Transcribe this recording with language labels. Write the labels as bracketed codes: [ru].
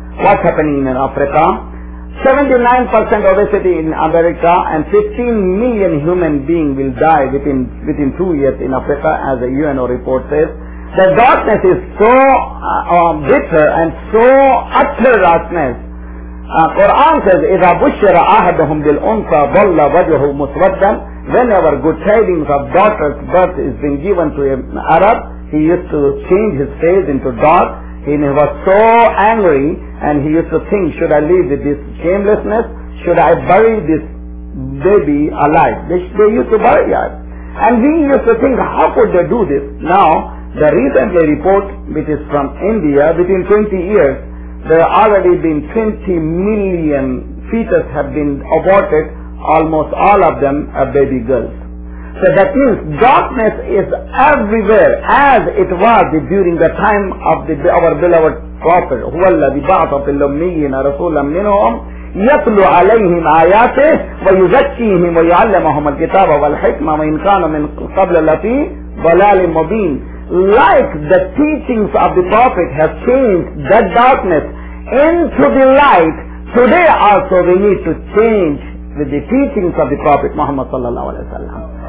[en] What's happening in Africa? 79% obesity in America, and 15 million human beings will die within 2 years in Africa, as the UNO report says. The darkness is so bitter and so utter darkness. Quran says, [ar] إِذَا بُشِّرَ أَحَدَهُمْ بِالْأُنْثَى ضَلَّ وَجْهُهُ مُسْوَدًّا. [en] Whenever good tidings of daughter's birth is being given to an Arab, he used to change his face into dark. He was so angry, and he used to think, should I live with this shamelessness? Should I bury this baby alive. They used to bury us. And we used to think, how could they do this? Now, the recent report, which is from India, within 20 years, there have already been 20 million fetuses have been aborted, almost all of them are baby girls. So that means darkness is everywhere, as it was during the time of our beloved Prophet. [ar] هو الذي بعث في الأميين رسولا منهم يتلو عليهم آياته ويزكيهم ويعلمهم الكتاب والحكمة وإن كانوا من قبل لفي ضلال مبين. [en] Like the teachings of the Prophet have changed that darkness into the light, today also we need to change with the teachings of the Prophet Muhammad sallallahu alaihi wasallam.